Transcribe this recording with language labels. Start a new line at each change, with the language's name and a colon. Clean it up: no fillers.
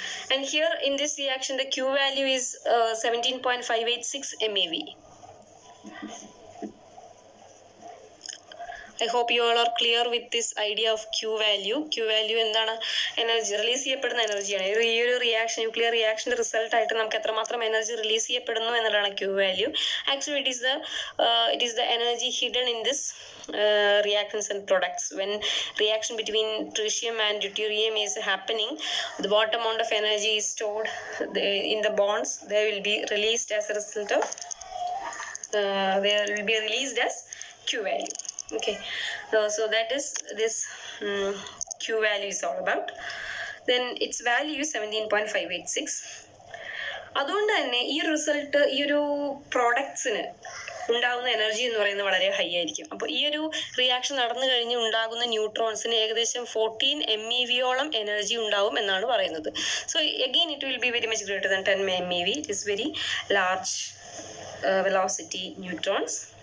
English: And here in this reaction, the Q value is 17.586 MeV. I hope you all are clear with this idea of Q value.
Malayalam: Q value എന്താണ്? Energy release ചെയ്യപ്പെടുന്ന എനർജിയാണ്. ഈ ഒരു reaction, nuclear റിയാക്ഷന്റെ result ആയിട്ട് നമുക്ക് എത്രമാത്രം energy release ചെയ്യപ്പെടുന്നു എന്നതാണ് Q value.
English: Actually it is the energy hidden in this reactions and products. When reaction between tritium and deuterium is happening the what amount of energy is stored in the bonds the will be released as a result of the will be released as Q value. Okay, so that is this Q value is all about. Then its value is 17.586.
Malayalam: അതുകൊണ്ട് തന്നെ ഈ result ഈ ഒരു പ്രോഡക്ട്സിന് ഉണ്ടാകുന്ന energy എന്ന് പറയുന്നത് വളരെ high ആയിരിക്കും. അപ്പോൾ ഈ ഒരു റിയാക്ഷൻ നടന്നു കഴിഞ്ഞ് ഉണ്ടാകുന്ന ന്യൂട്രോൺസിന് ഏകദേശം 14 MeV എനർജി ഉണ്ടാകും എന്നാണ് പറയുന്നത്.
English: So again it will be very much greater than 10 MeV. It's very large velocity neutrons.